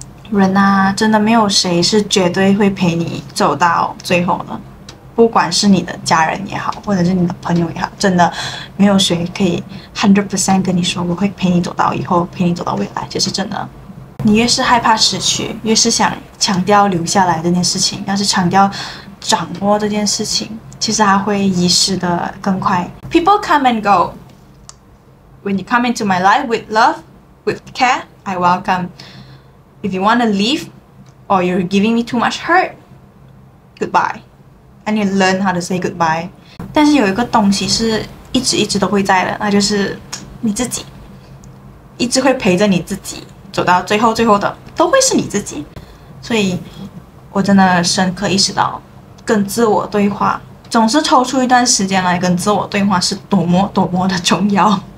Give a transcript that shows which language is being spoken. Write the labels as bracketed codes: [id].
[zh] 人啊，真的没有谁是绝对会陪你走到最后的，不管是你的家人也好，或者是你的朋友也好，真的没有谁可以 100% 跟你说我会陪你走到以后，陪你走到未来，就是真的。你越是害怕失去，越是想强调留下来这件事情，要是强调掌握这件事情，其实它会遗失的更快。 [en] People come and go. When you come into my life with love, with care, I welcome. If you want to leave or you're giving me too much hurt, goodbye. And you learn how to say goodbye. [zh] 但是有一个东西是一直一直都会在的，那就是你自己，一直会陪着你自己走到最后，最后的都会是你自己。所以我真的深刻意识到跟自我对话，总是抽出一段时间来跟自我对话是多么多么的重要。